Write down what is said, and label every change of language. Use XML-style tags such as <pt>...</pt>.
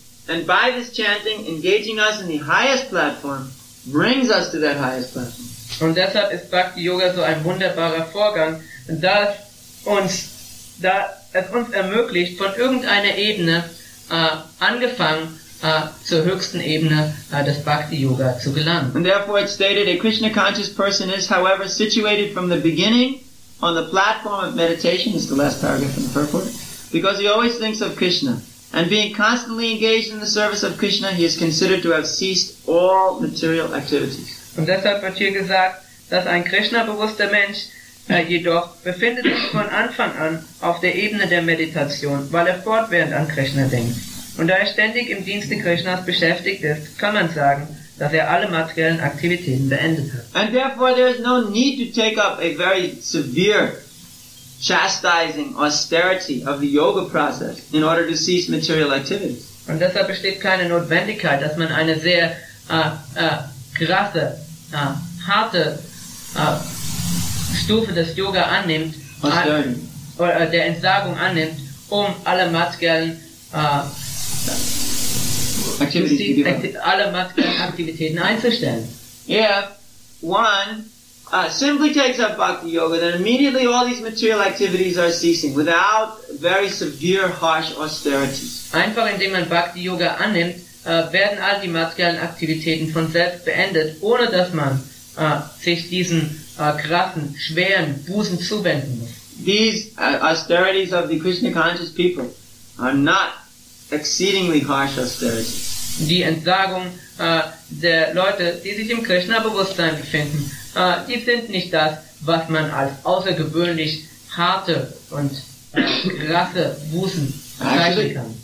<en>And by this chanting, engaging us in the highest platform brings us to that highest platform.</en> <de>Und deshalb ist Bhakti Yoga so ein wunderbarer Vorgang, da es uns ermöglicht, von irgendeiner Ebene angefangen zur höchsten Ebene des Bhakti Yoga zu gelangen.</de> <en>And therefore it's stated, a Krishna conscious person is, however, situated from the beginning on the platform of meditation, is the last paragraph in the purport, because he always thinks of Krishna. And being constantly engaged in the service of Krishna, he is considered to have ceased all material activities.</en> <de>Und deshalb wird hier gesagt, dass ein Krishna-bewusster Mensch jedoch befindet sich von Anfang an auf der Ebene der Meditation, weil er fortwährend an Krishna denkt. Und da er ständig im Dienste Krishnas beschäftigt ist, kann man sagen, dass er alle materiellen Aktivitäten beendet hat.</de> <en>And therefore there is no need to take up a very severe chastising austerity of the yoga process in order to cease material activities.</en> <de>Und deshalb besteht keine Notwendigkeit, dass man eine sehr krasse, harte Stufe des Yoga annimmt, der Entsagung annimmt, um alle materiellen Aktivitäten einzustellen.</de> <en>If one simply takes up Bhakti Yoga, then immediately all these material activities are ceasing without very severe, harsh austerities.</en> <de>Einfach indem man Bhakti Yoga annimmt, werden all die materiellen Aktivitäten von selbst beendet, ohne dass man sich diesen krassen, schweren Busen zuwenden muss.</de> <en>These austerities of the Krishna conscious people are not exceedingly harsh austerities.</en> <de>Die Entsagung der Leute, die sich im Krishna-Bewusstsein befinden, die sind nicht das, was man als außergewöhnlich harte und krasse Busen bezeichnen kann.</de>